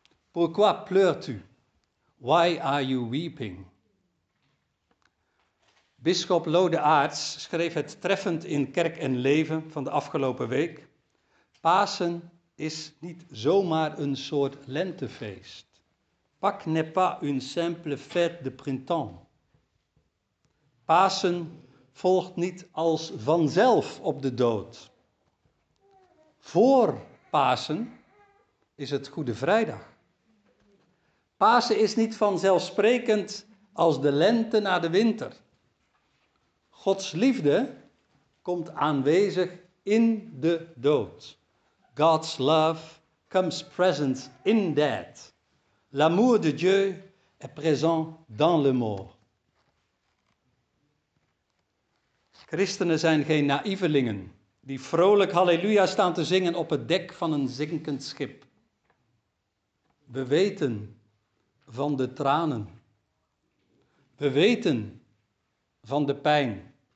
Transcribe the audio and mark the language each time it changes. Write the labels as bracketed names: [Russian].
[French] Pourquoi pleurt u? [English] Why are you weeping? [Dutch] Bisschop Lode Aarts schreef het treffend in Kerk en Leven van de afgelopen week. Pasen is niet zomaar een soort lentefeest. [French] Pak n'est pas une simple fête de printemps. [Dutch] Pasen volgt niet als vanzelf op de dood. Voor Pasen is het Goede Vrijdag. Pasen is niet vanzelfsprekend als de lente na de winter. Gods liefde komt aanwezig in de dood. [English] God's love comes present in death. [French] L'amour de Dieu est présent dans le mort. [Dutch] Christenen zijn geen naïvelingen die vrolijk halleluja staan te zingen op het dek van een zinkend schip. We weten van de tranen. We weten van de pijn.